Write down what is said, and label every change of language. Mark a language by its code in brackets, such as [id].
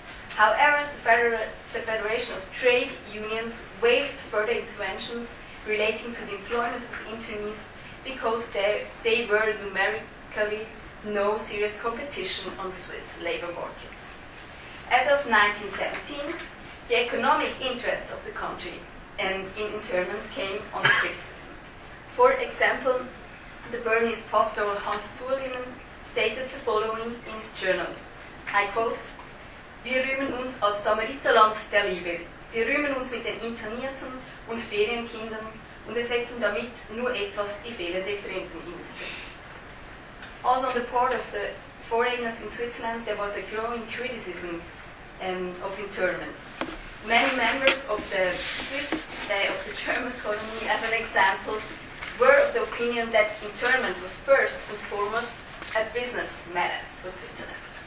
[en] However, the Federation of Trade Unions waived further interventions relating to the employment of internees because they were numerically no serious competition on the Swiss labor market. As of 1917, the economic interests of the country, and in internment came on the criticism. For example, the Bernese pastor Hans Zurlinen stated the following in his journal. I quote, [de] "Wir rühmen uns als Samariterland der Liebe. Wir rühmen uns mit den Internierten und Ferienkindern und ersetzen damit nur etwas die fehlende Fremdenindustrie." [en] Also on the part of the foreigners in Switzerland, there was a growing criticism of internment. Many members of the Swiss, of the German colony, as an example, were of the opinion that internment was first and foremost a business matter for Switzerland.